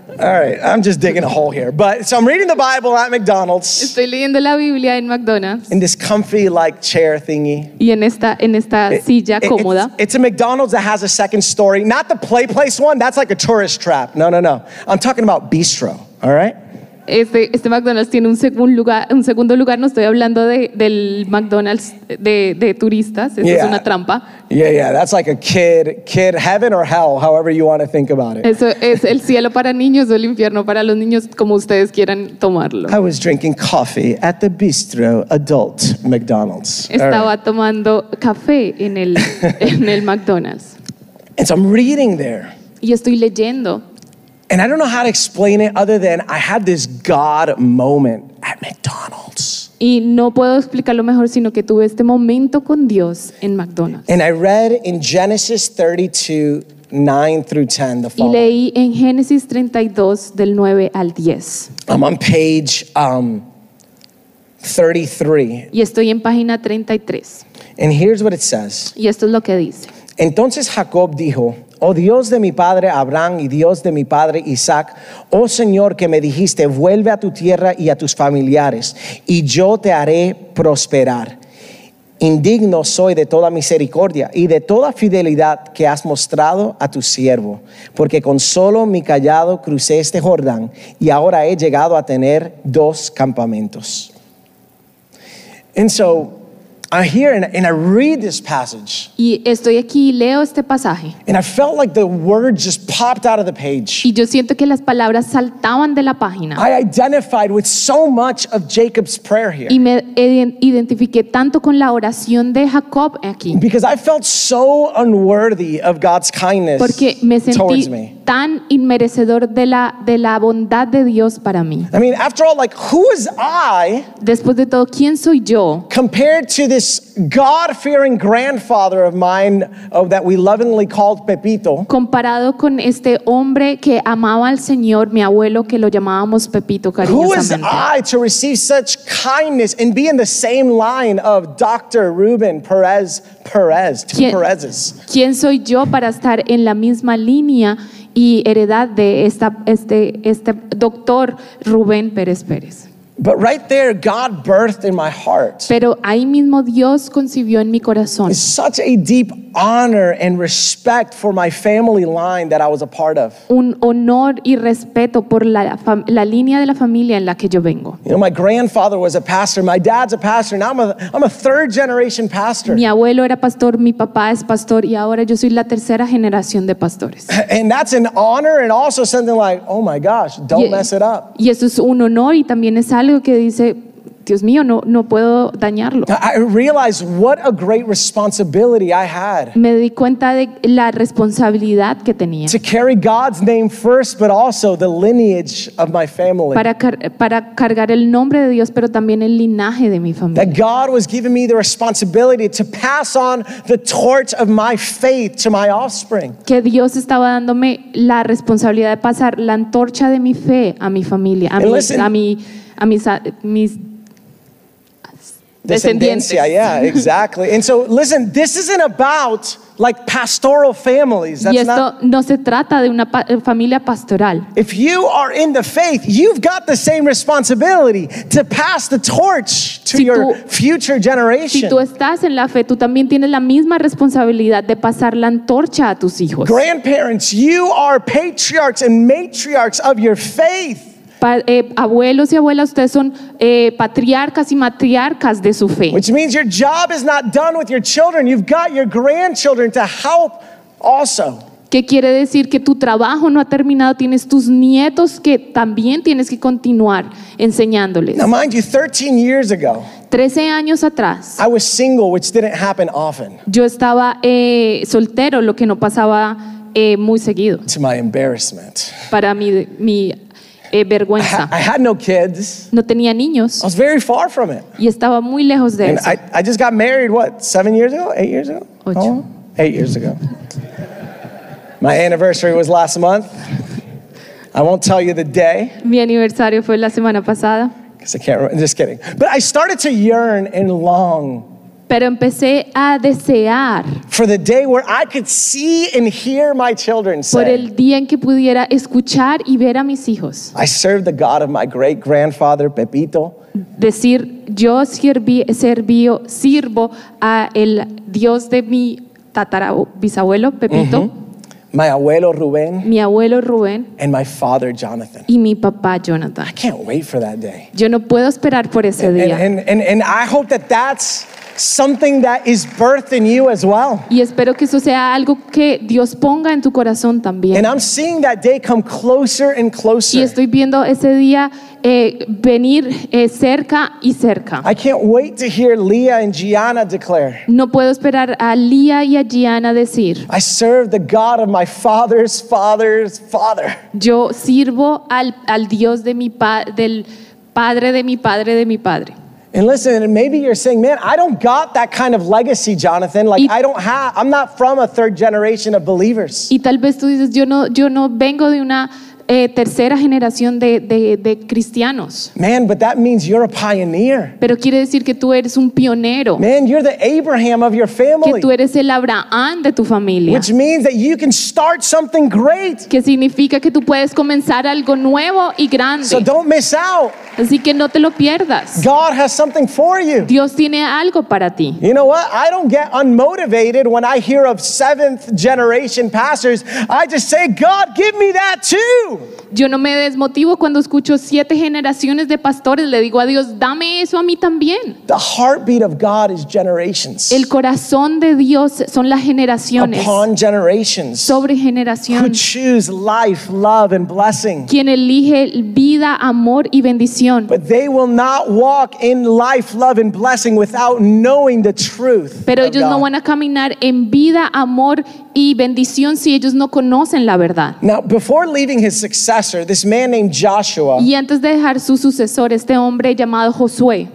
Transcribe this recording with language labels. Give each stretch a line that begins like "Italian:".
English: All right, I'm just digging a hole here. But so I'm reading the Bible at McDonald's.
Spanish: Estoy leyendo la Biblia en McDonald's.
English: In this comfy like chair thingy.
Spanish: Y en esta silla cómoda.
English: It's a McDonald's that has a second story. Not the play place one, that's like a tourist trap. No. I'm talking about Bistro, all right?
Spanish: Este McDonald's tiene un segundo lugar, no estoy hablando del McDonald's de turistas, eso es una trampa.
English: Yeah, yeah, that's like a kid heaven or hell, however you want to think about it.
Spanish: Eso es el cielo para niños o el infierno para los niños, como ustedes quieran tomarlo.
English: I was drinking coffee at the bistro adult McDonald's.
Spanish: Estaba tomando café en el McDonald's.
English: And so I'm reading there.
Spanish: Y estoy leyendo.
English: And I don't know how to explain it other than I had this God moment at McDonald's.
Spanish: Y no puedo explicarlo mejor sino que tuve este momento con Dios en McDonald's.
English: And I read in Genesis 32:9-10 the following.
Spanish: Y leí en Génesis 32 del 9 al 10.
English: I'm on page 33.
Spanish: Y estoy en página 33.
English: And here's what it says.
Spanish: Y esto es lo que dice. Entonces Jacob dijo: Oh Dios de mi padre Abraham y Dios de mi padre Isaac, oh Señor que me dijiste, vuelve a tu tierra y a tus familiares y yo te haré prosperar. Indigno soy de toda misericordia y de toda fidelidad que has mostrado a tu siervo, porque con solo mi cayado crucé este Jordán y ahora he llegado a tener dos campamentos.
English: And so I'm here and I read this passage.
Spanish: Y estoy aquí y leo este pasaje.
English: And I felt like the words just popped out of the page.
Spanish: Y yo siento que las palabras saltaban de la página.
English: I identified with so much of Jacob's prayer here.
Spanish: Y me identifiqué tanto con la oración de Jacob aquí.
English: Because I felt so unworthy of God's kindness.
Spanish: Porque me sentí tan inmerecedor de la bondad de Dios para mí.
English: I mean, after all, like, who is I?
Spanish: Después de todo, ¿quién soy yo?
English: Compared to this God-fearing grandfather of mine that we lovingly called Pepito.
Spanish: Comparado con este hombre que amaba al Señor, mi abuelo, que lo llamábamos Pepito cariñosamente.
English: Who is I to receive such kindness and be in the same line of Dr. Ruben Perez, Perez's?
Spanish: ¿Quién soy yo para estar en la misma línea y heredad de este doctor Rubén Pérez Pérez?
English: But right there, God birthed in my heart.
Spanish: Pero ahí mismo Dios concibió en mi corazón.
English: It's such a deep honor and respect for my family line that I was a part of.
Spanish: Un honor y respeto por la línea de la familia en la que yo vengo.
English: You know, my grandfather was a pastor. My dad's a pastor. Now I'm a third generation pastor.
Spanish: Mi abuelo era pastor. Mi papá es pastor. Y ahora yo soy la tercera generación de pastores.
English: And that's an honor and also something like, oh my gosh, don't mess it up.
Spanish: Y eso es un honor y también es algo que dice, Dios mío, no puedo dañarlo.
English: I realized what a great responsibility I had.
Spanish: Me di cuenta de la responsabilidad que tenía.
English: To carry God's name first, but also the lineage of my family.
Spanish: Para cargar el nombre de Dios, pero también el linaje de mi familia.
English: That God was giving me the responsibility to pass on the torch of my faith to my offspring.
Spanish: Que Dios estaba dándome la responsabilidad de pasar la antorcha de mi fe a mi familia, a mis descendencia,
English: yeah, exactly. And so, listen, this isn't about like pastoral families. That's
Spanish: y esto
English: not,
Spanish: no se trata de una familia pastoral.
English: If you are in the faith, you've got the same responsibility to pass the torch to your future generation.
Spanish: Si tú estás en la fe, tú también tienes la misma responsabilidad de pasar la antorcha a tus hijos.
English: Grandparents, you are patriarchs and matriarchs of your faith.
Spanish: Abuelos y abuelas, ustedes son patriarcas y matriarcas de su fe.
English: Which means your job is not done with your children. You've got your grandchildren to help also.
Spanish: ¿Qué quiere decir? Que tu trabajo no ha terminado. Tienes tus nietos que también tienes que continuar enseñándoles.
English: Now mind you, 13 years ago,
Spanish: 13 años atrás,
English: I was single, which didn't happen often.
Spanish: Yo estaba soltero, lo que no pasaba muy seguido.
English: To my embarrassment.
Spanish: Para mi vergüenza.
English: I had no kids.
Spanish: No tenía niños.
English: I was very far from it.
Spanish: Y estaba muy lejos de
English: and
Spanish: eso.
English: I just got married, what, 7 years ago? 8 years ago?
Spanish: Ocho.
English: Oh, 8 years ago. My anniversary was last month. I won't tell you the day.
Spanish: Mi aniversario fue la semana pasada.
English: Because I can't remember. Just kidding. But I started to yearn and long.
Spanish: Pero empecé a desear
English: for the day where I could see and hear my children say,
Spanish: por el día en que pudiera escuchar y ver a mis hijos.
English: I served the God of my great grandfather Pepito.
Spanish: Decir yo sirvo a el Dios de mi tatarabuelo bisabuelo Pepito. Mm-hmm.
English: My abuelo Rubén.
Spanish: Mi abuelo Rubén.
English: And my father Jonathan.
Spanish: Y mi papá Jonathan.
English: I can't wait for that day.
Spanish: Yo no puedo esperar por ese día.
English: And I hope that that's something that is birthed in you as well.
Spanish: Y espero que eso sea algo que Dios ponga en tu corazón también.
English: And I'm seeing that day come closer and closer.
Spanish: Y estoy viendo ese día venir cerca y cerca.
English: I can't wait to hear Leah and Gianna declare.
Spanish: No puedo esperar a Leah y a Gianna decir.
English: I serve the God of my father's father's father.
Spanish: Yo sirvo al Dios de mi del padre de mi padre de mi padre.
English: And listen, and maybe you're saying, man, I don't got that kind of legacy, Jonathan. Like, I'm not from a third generation of believers.
Spanish: Y tal vez tú dices, yo no vengo de una tercera generación de cristianos.
English: Man, but that means you're a pioneer.
Spanish: Pero quiere decir que tú eres un pionero.
English: Man, you're the Abraham of your family.
Spanish: Que tú eres el Abraham de tu familia.
English: Which means that you can start something great.
Spanish: Que significa que tú puedes comenzar algo nuevo y grande.
English: So don't miss out.
Spanish: Así que no te lo pierdas.
English: God has something for you.
Spanish: Dios tiene algo para ti.
English: You know what? I don't get unmotivated when I hear of seventh generation pastors. I just say, God, give me that too.
Spanish: Yo no me desmotivo cuando escucho siete generaciones de pastores. Le digo a Dios, dame eso a mí también.
English: The heartbeat of God is generations.
Spanish: El corazón de Dios son las generaciones.
English: Upon generations.
Spanish: Sobre generaciones.
English: Who choose life, love, and blessing.
Spanish: Quien elige vida, amor y bendición.
English: But they will not walk in life, love, and blessing without knowing the truth.
Spanish: Pero ellos no van a caminar en vida, amor y bendición si ellos no conocen la verdad.
English: Now, before leaving his successor, this man named Joshua.
Spanish: Y antes de dejar su sucesor, este hombre llamado Josué.